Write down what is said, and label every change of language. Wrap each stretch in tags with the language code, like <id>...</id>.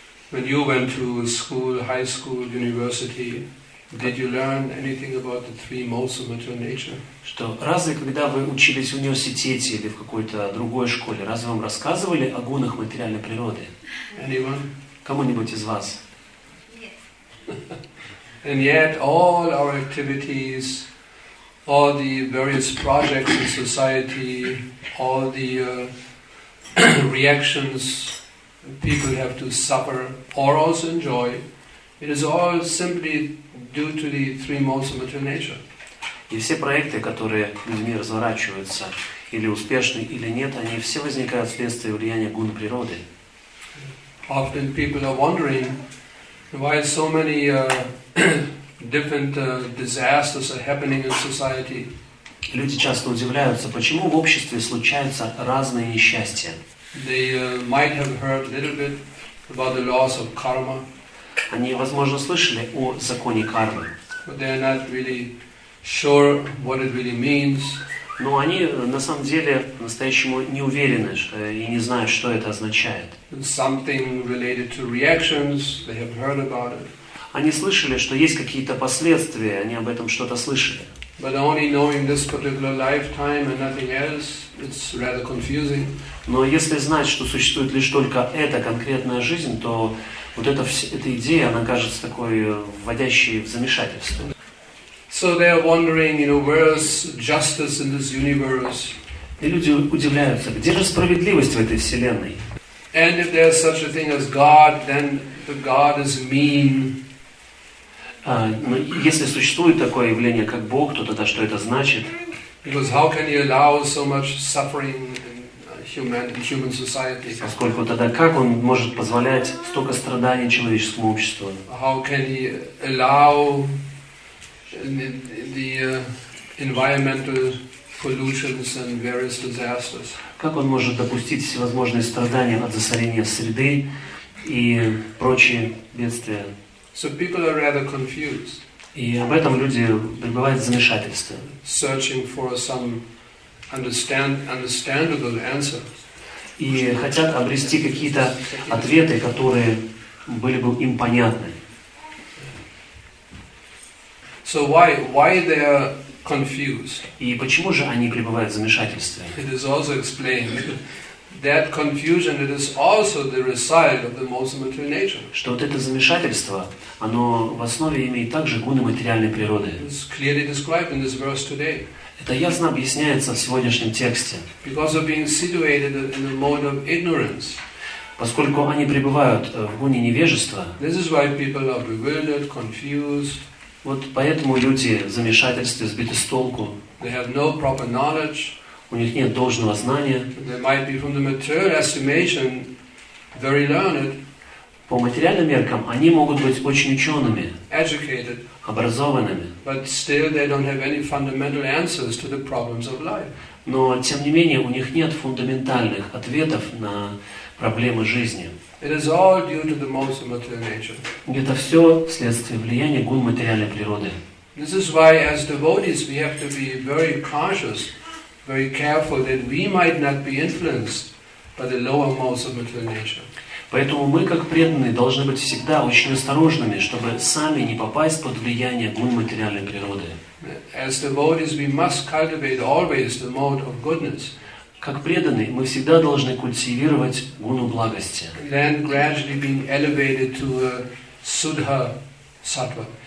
<en>When you went to school, high school, university, did you learn anything about the three modes of material nature?</en> <ru>Что разве когда вы учились в университете или в какой-то другой школе, разве вам рассказывали о гунах материальной природы?</ru> <en>Anyone?</en> <ru>Кому-нибудь из вас?</ru> <en>Yes. And yet all our activities, all the various projects in society, all the reactions people have to suffer or also enjoy, it is all simply due to the three modes of material nature.</en> <ru>И все проекты, которые людьми разворачиваются, или успешны, или нет, они все возникают вследствие влияния гун природы.</ru> <en>Often people are wondering why so many different disasters are happening in society.</en> <ru>Люди часто удивляются, почему в обществе случаются разные несчастья.</ru> <en>They might have heard a little bit about the laws of karma.</en> <ru>Они, возможно, слышали о законе кармы.</ru> <en>But they are not really sure what it really means.</en> <ru>Но они на самом деле настоящему не уверены и не знают, что это означает.</ru> <en>Something related to reactions. They have heard about it.</en> <ru>Они слышали, что есть какие-то последствия, они об этом что-то слышали.</ru> <en>But only knowing this particular lifetime and nothing else, it's rather confusing.</en> <ru>Но если знать, что существует лишь только эта конкретная жизнь, то вот эта идея, она кажется такой вводящей в замешательство.</ru> <en>So they are wondering, you know, where's justice in this universe?</en> <ru>И люди удивляются, где же справедливость в этой вселенной?</ru> <en>And if there's such a thing as God, then the God is mean.</en> <ru>Но если существует такое явление, как Бог, то тогда что это значит?</ru> <en>Because how can you allow so much suffering in human society?</en> <ru>Поскольку тогда как он может позволять столько страданий человеческому обществу?</ru> <en>How can he allow the environmental pollutions and various disasters?</en> <ru>Как он может допустить всевозможные страдания от засорения среды и прочие бедствия?</ru> <en>So people are rather confused.</en> <ru>И об этом люди пребывают в замешательстве.</ru> <en>Searching for some understandable answer.</en> <ru>И хотят обрести какие-то ответы, которые были бы им понятны.</ru> <en>So why they are confused?</en> <ru>И почему же они пребывают в замешательстве?</ru> <en>It is also explained. That confusion, it is also the result of the modes of material nature.</en> <ru>Что вот это замешательство, оно в основе имеет также гуны материальной природы.</ru> <en>It's clearly described in this verse today.</en> <ru>Это ясно объясняется в сегодняшнем тексте.</ru> <en>Because of being situated in a mode of ignorance.</en> <ru>Поскольку они пребывают в гуне невежества.</ru> <en>This is why people are bewildered, confused.</en> <ru>Вот поэтому люди в замешательстве, сбиты с толку.</ru> <en>They have no proper knowledge.</en> <ru>У них нет должного знания.</ru> <en>They might be from the material estimation very learned.</en> <ru>По материальным меркам они могут быть очень учеными,</ru> <en>educated,</en> <ru>образованными.</ru> <en>But still they don't have any fundamental answers to the problems of life.</en> <ru>Но тем не менее у них нет фундаментальных ответов на проблемы жизни.</ru> <en>It is all due to the modes of material nature.</en> <ru>Это все вследствие влияния гун материальной природы.</ru> <en>This is why as devotees we have to be very conscious, very careful that we might not be influenced by the lower modes of material nature.</en> <ru>Поэтому мы, как преданные, должны быть всегда очень осторожными, чтобы сами не попасть под влияние гун материальной природы.</ru> <en>As devotees, we must cultivate always the mode of goodness.</en> <ru>Как преданные, мы всегда должны культивировать гуну благости.</ru> <en>Then gradually being elevated to a Shuddha Sattva.</en>